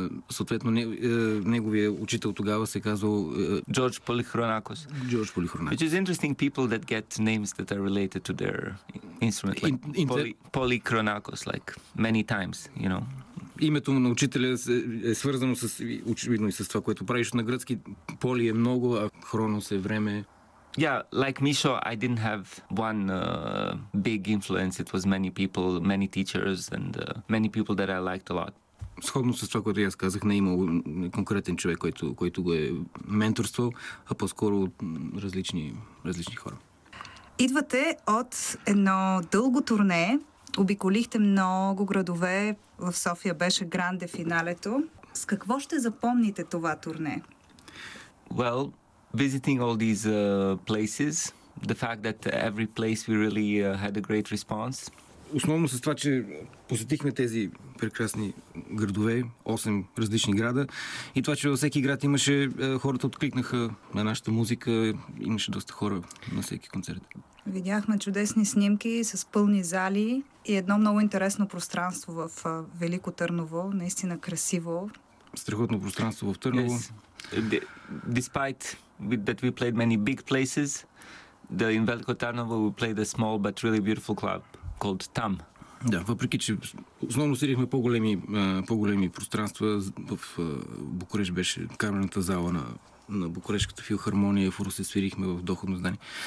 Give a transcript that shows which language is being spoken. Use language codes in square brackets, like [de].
[bg] Съответно, неговият учител тогава се казвал... Джордж Полихронакос. Джордж Полихронакос. [en] Which is interesting, people that get names that are related to their instrument, like Polychronakos, like many times, you know. [bg] Името на учителя е свързано с, очевидно, и с това, което правиш на гръцки. Поли е много, а хронос е време. [en] Yeah, like Misho, I didn't have one big influence. It was many people, many teachers, and many people that I liked a lot. [bg] Сходно с това, което аз казах, не имал конкретен човек, който го е менторствал, а по-скоро различни хора. Идвате от едно дълго турне. Обиколихте много градове. В София беше гранде финалето. С какво ще запомните това турне? [en] Well, visiting all these places, the fact that every place we really had a great response. [bg] Основно с това, че посетихме тези прекрасни градове, 8 различни града, и това, че във всеки град имаше хората откликнаха на нашата музика, имаше доста хора на всеки концерт. Видяхме чудесни снимки с пълни зали и едно много интересно пространство в Велико Търново, наистина красиво. Страхотно пространство в Търново. [en] Yes. Despite that we played many big places, the in Велико Търново we played a small but really beautiful club called TAM. [bg] Да, въпреки че основно сирихме по-големи пространства в Букурещ, беше камерната зала на Букурещката филхармония, в Русе свирихме в доходно здание.